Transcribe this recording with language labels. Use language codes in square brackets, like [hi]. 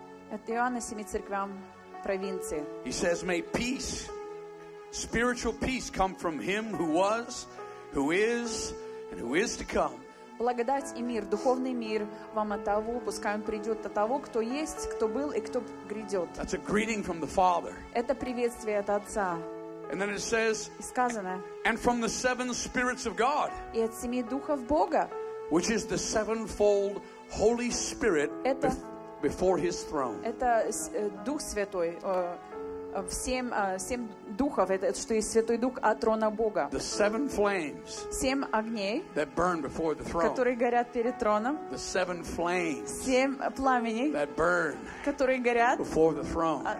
[ru] От Иоанна семи церквям провинции. [en] He says, "May peace." Spiritual peace come from Him who was, who is, and who is to come. [ru] Благодать и мир, духовный мир, вам от того, пускай он придет от того, кто есть, кто был и кто грядет. [en] That's a greeting from the Father. [ru] Это приветствие от Отца. [en] And then it says. [ru] И сказано. [en] And from the seven spirits of God. [ru] И от семи духов Бога. [en] Which is the sevenfold Holy Spirit before His throne. [ru] Это Дух Святой. семь духов, это что есть Святой Дух от трона Бога. [en] The seven flames. [ru] Семь огней. [en] That burn before the throne. [ru] Которые горят перед троном. [en] The seven flames. [ru] Семь пламени. [en] That burn. [ru] Которые горят. [en] Before the throne.